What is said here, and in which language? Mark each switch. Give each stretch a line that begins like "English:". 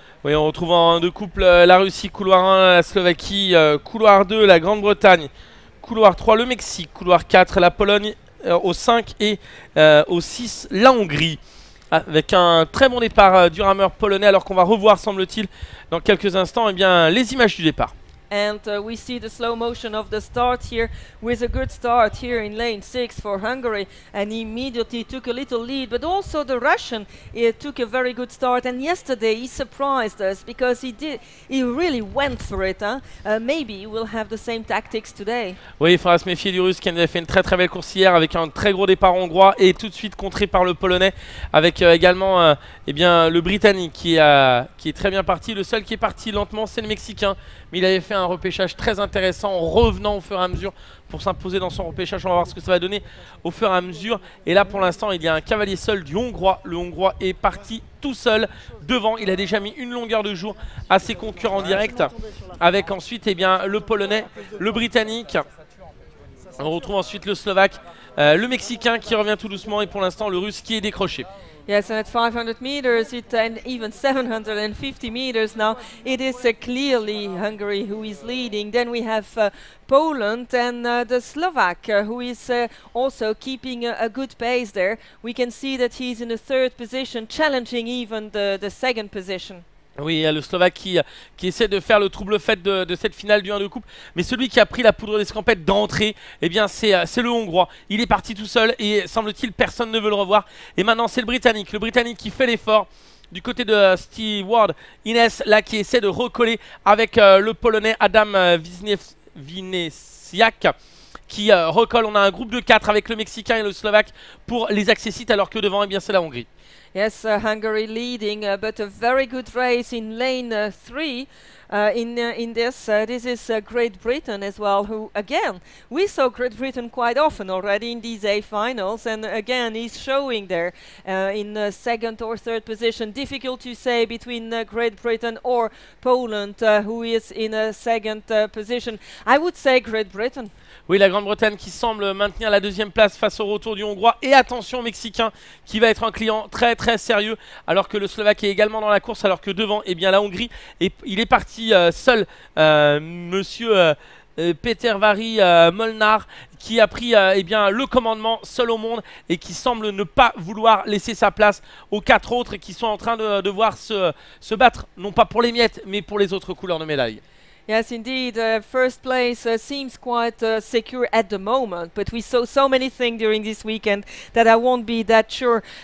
French: Oui, on retrouve en deux couples la Russie, couloir 1, la Slovaquie, couloir 2, la Grande-Bretagne, couloir 3, le Mexique, couloir 4, la Pologne au 5 et au 6, la Hongrie. Avec un très bon départ du rameur polonais, alors qu'on va revoir, semble-t-il, dans quelques instants, eh bien, les images du départ.
English: And we see the slow motion of the start here with a good start here in lane 6 for Hungary, and he immediately took a little lead, but also the Russian took a very good start, and yesterday he surprised us because he really went for it. Maybe he will have the same tactics today.
French: Oui, il faudra se méfier du Russe qui avait fait une très très belle course hier avec un très gros départ hongrois et tout de suite contré par le Polonais avec également eh bien, le Britannique qui est très bien parti. Le seul qui est parti lentement c'est le Mexicain, mais il avait fait un repêchage très intéressant en revenant au fur et à mesure pour s'imposer dans son repêchage. On va voir ce que ça va donner au fur et à mesure. Et là, pour l'instant, il y a un cavalier seul du Hongrois. Le Hongrois est parti tout seul devant. Il a déjà mis une longueur de jour à ses concurrents directs avec ensuite eh bien, le Polonais, le Britannique. On retrouve ensuite le Slovaque, le Mexicain qui revient tout doucement et pour l'instant, le Russe qui est décroché.
English: Yes, and at 500 meters and even 750 meters now, it is clearly Hungary who is leading. Then we have Poland and the Slovak who is also keeping a good pace there. We can see that he's in the third position, challenging even the second position.
French: Oui, il y a le Slovaque qui essaie de faire le trouble fête de cette finale du 1 de coupe. Mais celui qui a pris la poudre d'escampette d'entrée, eh bien c'est le Hongrois. Il est parti tout seul et semble-t-il personne ne veut le revoir. Et maintenant c'est le Britannique. Le Britannique qui fait l'effort du côté de Steward Innes, là qui essaie de recoller avec le Polonais Adam Wisniewski. Qui recolle. On a un groupe de 4 avec le Mexicain et le Slovaque pour les accès sites, alors que devant, eh bien, c'est la Hongrie.
English: Yes, Hungary leading, but a very good race in lane 3. In this, this is Great Britain as well, who again, we saw Great Britain quite often already in these A finals, and again, he's showing there in second or third position. Difficult to say between Great Britain or Poland, who is in a second position. I would say Great Britain.
French: Oui, la Grande-Bretagne qui semble maintenir la deuxième place face au retour du Hongrois. Et attention, Mexicain qui va être un client très très sérieux. Alors que le Slovaque est également dans la course. Alors que devant, eh bien, la Hongrie, il est parti seul. Monsieur Peter Vary Molnar qui a pris eh bien, le commandement seul au monde. Et qui semble ne pas vouloir laisser sa place aux quatre autres. Qui sont en train de devoir se battre, non pas pour les miettes, mais pour les autres couleurs de médaille.
English: Yes, indeed, first place seems quite secure at the moment, but we saw so many things during this weekend that I won't be that sure.